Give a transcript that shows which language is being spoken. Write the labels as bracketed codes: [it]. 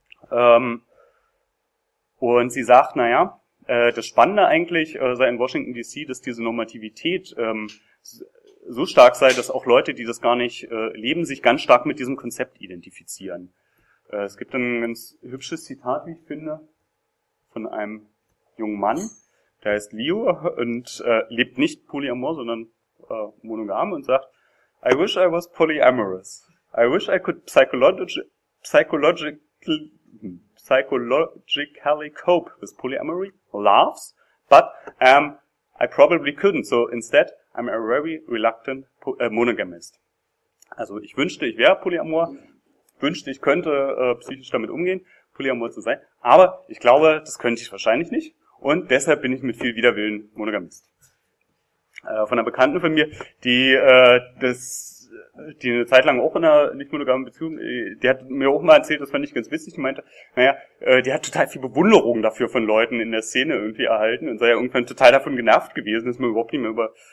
[de] Und sie sagt, naja, das Spannende eigentlich sei in Washington D.C., dass diese Normativität so stark sei, dass auch Leute, die das gar nicht leben, sich ganz stark mit diesem Konzept identifizieren. Es gibt ein ganz hübsches Zitat, wie ich finde, von einem jungen Mann, der heißt Leo und lebt nicht polyamor, sondern monogam und sagt, [en] I wish I was polyamorous. I wish I could psychologically cope with polyamory, laughs, but I probably couldn't. So instead, I'm a very reluctant monogamist. [de] Also ich wünschte, ich wäre polyamor, wünschte, ich könnte psychisch damit umgehen, polyamor zu sein, aber ich glaube, das könnte ich wahrscheinlich nicht und deshalb bin ich mit viel Widerwillen monogamist. Von einer Bekannten von mir, die eine Zeit lang auch in einer nicht monogamen Beziehung, die hat mir auch mal erzählt, das fand ich ganz witzig, die meinte, naja, die hat total viel Bewunderung dafür von Leuten in der Szene irgendwie erhalten und sei ja irgendwann total davon genervt gewesen, dass man überhaupt nicht mehr über